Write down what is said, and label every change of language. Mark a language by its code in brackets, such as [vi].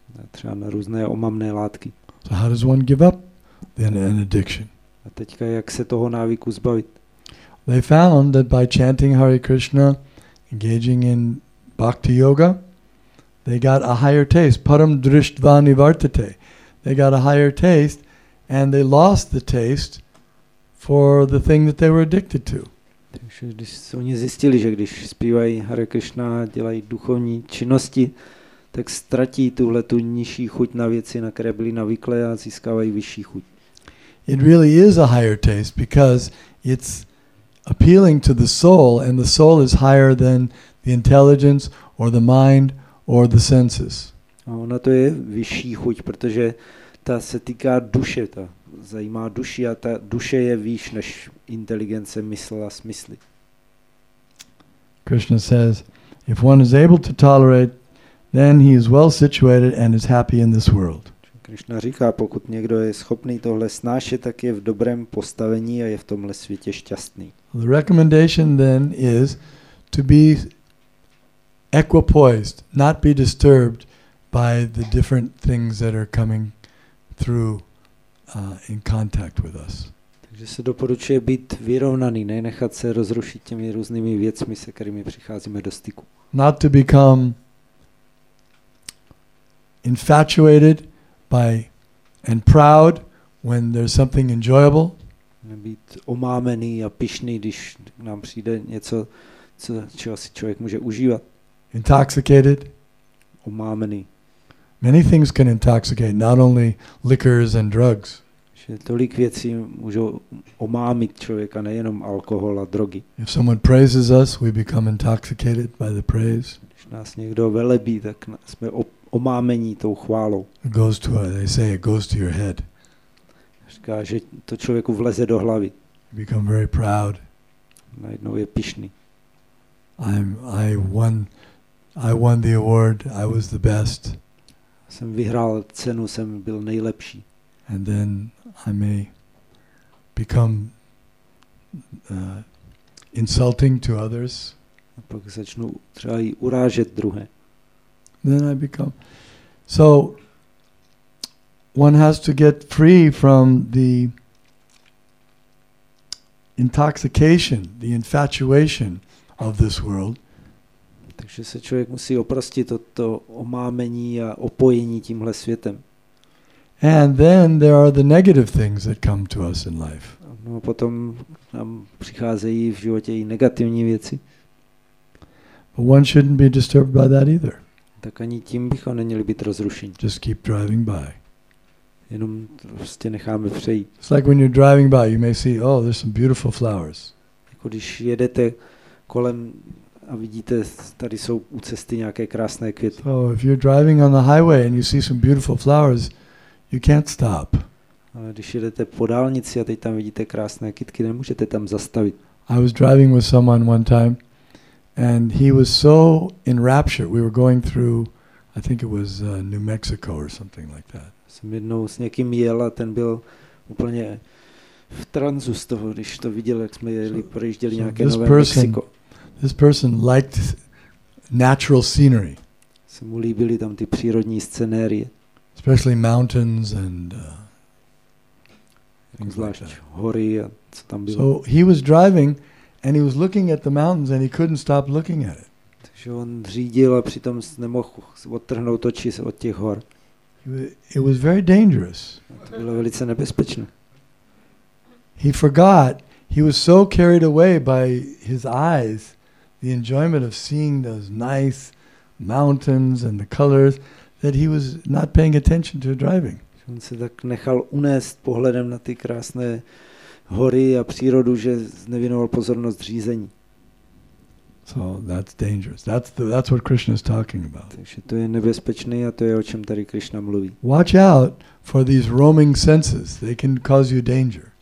[cs] A třeba na různé omamné látky. [en] So how does one give up then an addiction? [cs] A teďka jak se toho návyku zbavit? [en] They found that by chanting Hare Krishna, engaging in bhakti yoga, they got a higher taste, [sa] param drishtva nivartate. [en] They got a higher taste and they lost the taste for the thing that they were addicted to. [cs] Takže když oni zjistili, že když zpívají Hare Krishna, dělají duchovní činnosti, tak ztratí tuhle tu nižší chuť na věci, na které byli navyklé, a získávají vyšší chuť. [en] It really is a higher taste because it's appealing to the soul, and the soul is higher than the intelligence or the mind or the senses. [cs] A ona to je vyšší chuť, protože ta se týká duše, ta zajímá duši, a ta duše je výš než inteligence, mysl a smysly. [en] Krishna says, if one is able to tolerate, then he is well situated and is happy in this world. [cs] Krishna říká, pokud někdo je schopný tohle snášet, tak je v dobrém postavení a je v tomhle světě šťastný. [en] The recommendation then is to be equipoised, not be disturbed by the different things that are coming through in contact with us. [cs] Takže se doporučuje být vyrovnaný, nenechat se rozrušit těmi různými věcmi, se kterými přicházíme do styku. [en] Not to become infatuated by and proud when there's something enjoyable. [cs] Nebýt omámený a pyšný, když nám přijde něco, čeho si člověk může užívat. [en] Intoxicated. [cs] Omámený. [en] Many things can intoxicate, not only liquors and drugs. [cs] Že tolik věcí můžou omámit člověka, nejenom alkohol a drogy. [en] If someone praises us, we become intoxicated by the praise. [cs] Když nás někdo velebí, tak jsme omámení tou chválou. [en] It goes to, they say it goes to your head. [cs] Říká, že to člověku vleze do hlavy. [en] You become very proud. [cs] Najednou je pyšný. [en] I won the award. I was the best. [cs] Jsem vyhrál cenu, jsem byl nejlepší. [en] And then I may become insulting to others. [cs] A pak začnu třeba i urážet druhé. [en] Then I become. So one has to get free from the intoxication, the infatuation of this world. [cs] Takže se člověk musí oprostit od toho omámení a opojení tímhle světem. [en] And then there are the negative things that come to us in life. [cs] No, potom nám přicházejí v životě i negativní věci. [en] But one shouldn't be disturbed by that either. [cs] Tak ani tím bychom neměli být rozrušení. [en] Just keep driving by. [cs] Jenom prostě necháme přejít. [en] It's like when you're driving by, you may see, oh, there's some beautiful flowers. [cs] Jako když jedete kolem a vidíte, tady jsou u cesty nějaké krásné květy. [en] So if you're driving on the highway and you see some beautiful flowers, you can't stop. [cs] Ale když jedete po dálnici a teď tam vidíte krásné kytky, nemůžete tam zastavit. [en] I was driving with someone one time and he was so enraptured. We were going through, I think it was New Mexico or something like that. [cs] Jsem jednou s někým jel a ten byl úplně v tranzu z toho, když to viděl, jak jsme jeli, projížděli nějaké Nové Mexiko. [en] This person liked natural scenery. [cs] Se mu líbily tam ty přírodní scenérie. [en] Especially mountains and things like that. [cs] Hory a co tam bylo. [en] So he was driving and he was looking at the mountains and he couldn't stop looking at it. [cs] Takže on řídil a přitom nemohl odtrhnout oči od těch hor. [en] It was very dangerous. [cs] To bylo velice nebezpečné. [en] He forgot. He was so carried away by his eyes, the enjoyment of seeing those nice mountains and the colors, that he was not paying attention to driving. [cs] On se tak nechal unést pohledem na ty krásné hory a přírodu, že nevěnoval pozornost řízení. [en] So that's dangerous. That's what Krishna is talking about. [cs] Takže to je nebezpečné a to je, o čem tady Krishna mluví. [en] Watch out for these roaming senses. They can cause you danger.